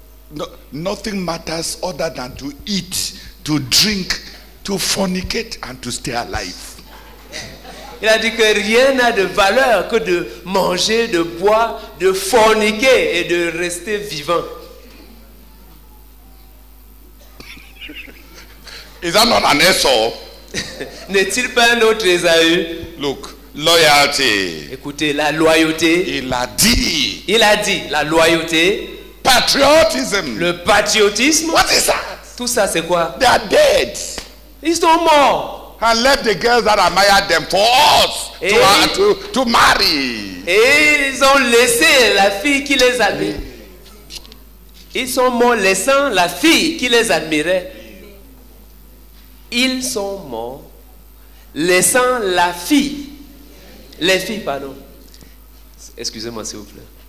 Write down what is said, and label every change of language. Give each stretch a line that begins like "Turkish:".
English: No, nothing matters other than to eat. To drink to fornicate and to stay alive.
French: Il a dit que rien n'a de valeur que de manger, de boire, de forniquer et de rester vivant.
English: Is that not an Esau?
French: N'est-il pas un autre Esaü?
English: Look, loyalty.
French: Écoutez, la loyauté. Il a dit. Il a dit la loyauté.
English: Patriotism.
French: Le patriotisme.
English: What is that?
French: Tout ça, c'est quoi?
English: They are dead.
French: Ils sont morts.
English: And let the girls that admire them for us to marry.
French: Et ils ont laissé la fille qui les admire. Ils sont morts laissant la fille qui les admirait. Ils sont morts laissant la fille. Les filles, pardon. Excusez-moi, s'il vous plaît.